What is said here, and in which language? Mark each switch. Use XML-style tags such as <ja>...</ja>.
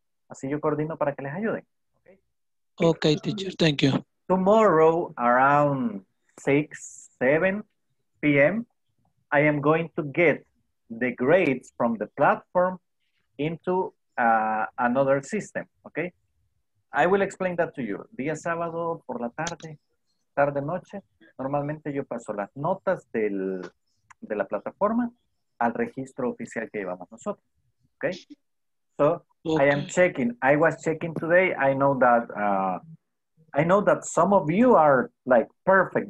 <es>Así yo coordino para que les ayuden.</es> <en>Okay, teacher. Thank you. Tomorrow around 6-7 p.m. I am going to get the grades from the platform into another system, okay? I will explain that to you.</en> <es>Día sábado por la tarde, tarde noche, normalmente yo paso las notas del, de la plataforma al registro oficial que llevamos nosotros, okay?</es> <en>So, okay. I am checking. I was checking today. I know that some of you are like perfect.</en>